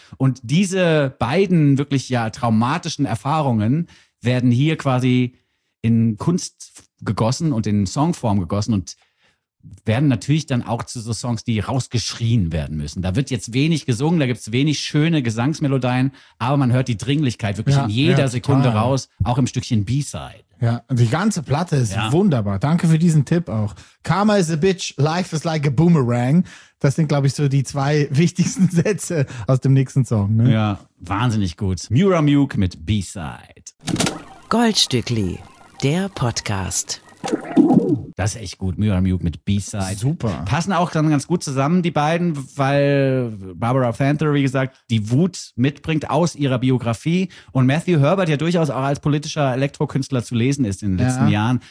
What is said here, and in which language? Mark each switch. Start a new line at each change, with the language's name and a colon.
German: Und diese beiden wirklich ja traumatischen Erfahrungen werden hier quasi in Kunst gegossen und in Songform gegossen und werden natürlich dann auch zu so Songs, die rausgeschrien werden müssen. Da wird jetzt wenig gesungen, da gibt es wenig schöne Gesangsmelodien, aber man hört die Dringlichkeit wirklich in jeder Sekunde raus, auch im Stückchen B-Side. Ja, die ganze Platte ist wunderbar. Danke für diesen Tipp auch.
English: Karma is a bitch, life is like a boomerang.
German: Das sind, glaube ich, so die zwei wichtigsten Sätze aus dem nächsten Song. Ne? Ja, wahnsinnig gut. Mura Muke mit B-Side. Goldstückli, der Podcast. Das ist echt gut. Mura Muke mit B-Side. Super. Passen auch dann ganz gut zusammen, die beiden, weil Barbara Panther, wie gesagt, die Wut mitbringt aus ihrer Biografie und Matthew Herbert ja durchaus auch als politischer Elektrokünstler zu lesen ist in den letzten Jahren.